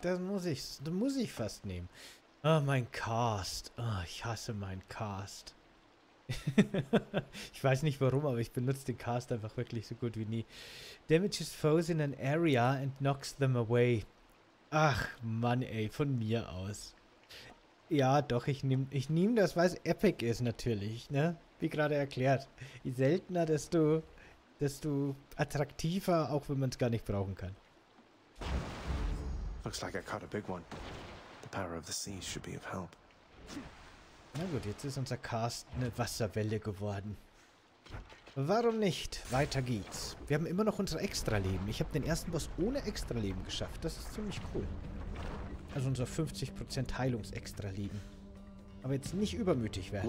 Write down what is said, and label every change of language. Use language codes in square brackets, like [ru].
[de] Das muss ich fast nehmen. Oh, mein Cast. Oh, ich hasse meinen Cast. Ich weiß nicht warum, aber ich benutze den Cast einfach wirklich so gut wie nie. [en] Damages foes in an area and knocks them away. [de] Ach, Mann, ey. Von mir aus. Ja, doch. Ich nehme das, weil es epic ist, natürlich. Ne? Wie gerade erklärt. Je seltener, desto attraktiver, auch wenn man es gar nicht brauchen kann. [en] Looks like I caught a big one. The power of the sea should be of help. [de] Na gut, jetzt ist unser Cast eine Wasserwelle geworden. Warum nicht? Weiter geht's. Wir haben immer noch unser Extra-Leben. Ich habe den ersten Boss ohne Extra-Leben geschafft. Das ist ziemlich cool. Also unser 50% Heilungs-Extra-Leben. Aber jetzt nicht übermütig werden.